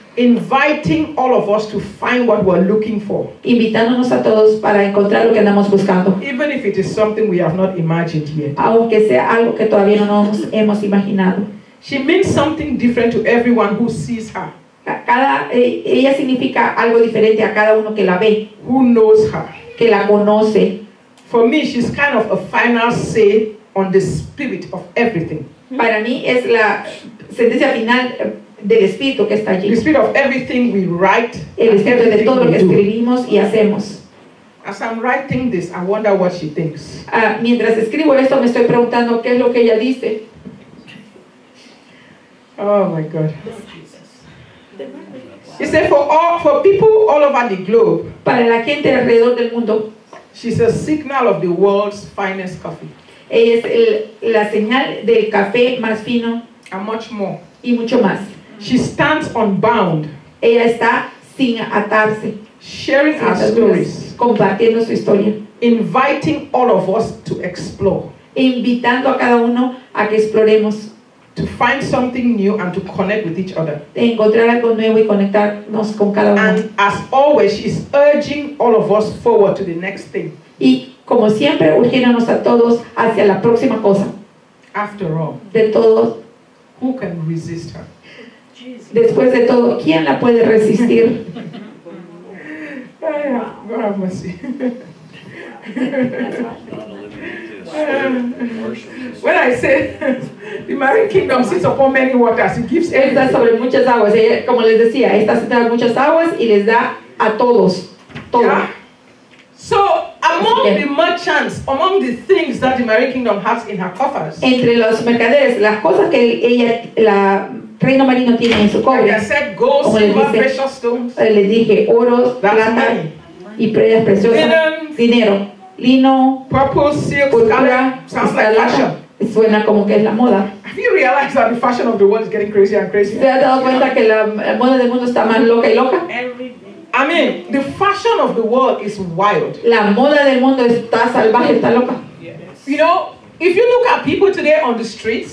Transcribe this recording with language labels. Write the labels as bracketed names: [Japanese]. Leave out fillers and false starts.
[English] Inviting all of us to find what we're looking for. [Spanish] Invitándonos a todos para encontrar lo que andamos buscando. [English] Even if it is something we have not imagined yet. [Spanish] Aunque sea algo que todavía no nos hemos imaginado. [English] She means something different to everyone who sees her. [Spanish] Ella significa algo diferente a cada uno que la ve. [English] Who knows her? [Spanish] Que la conoce. [English] For me, she's kind of a final say on the spirit of everything. [Spanish] Para mí es la sentencia final del espíritu que está allí. [English] The spirit of everything we write. [Spanish] El espíritu de todo lo que escribimos y hacemos. [English] As I'm writing this, I wonder what she thinks. [Spanish] Mientras escribo esto, me estoy preguntando qué es lo que ella dice. [English] Oh my God. He said, for people all over the globe. [Spanish] Para la gente alrededor del mundo. [English] She's a signal of the world's finest coffee. [Spanish] Ella es la señal del café más fino. [English] And much more. [Spanish] Y mucho más. [English] She stands unbound. [Spanish] Ella está sin atarse. [English] Sharing sin her stories. [Spanish] Compartiendo su historia. [English] Inviting all of us to explore. [Spanish] Invitando a cada uno a que exploremos. [English] To find something new and to connect with each other. [Spanish] De encontrar algo nuevo y conectarnos con cada uno. [English] And as always, she's urging all of us forward to the next thing. [Spanish] Y como siempre, urgiéndonos a todos hacia la próxima cosa. [English] After all, [Spanish] de todo, [English] who can resist her? [Spanish] Después de todo, ¿quién la puede resistir? [English] God have mercy. When I say the marine kingdom sits upon many waters, it gives everything. [Spanish] Está sobre muchas aguas. Como les decía, está sentada en muchas aguas y les da a todos. Todo. Yeah. [English] So among the merchants, among the things that the marine kingdom has in her coffers. [Spanish] Entre los mercaderes, las cosas que la reina marina tiene en su cofre. [English] Like I said, gold, silver, precious stones. [Spanish] Les dije oro, plata y piedras preciosas. Dinero. Lino, [English] purple, silk, [Spanish] púrpura, [English] sounds like fashion. [Spanish] Suena como que es la moda. [English] Have you realized that the fashion of the world is getting crazy and crazy? [Spanish] ¿Te has dado cuenta que la moda del mundo está más loca y loca? [English] I mean, the fashion of the world is wild. [Spanish] La moda del mundo está salvaje, está loca. [English] Yes. You know, if you look at people today on the streets.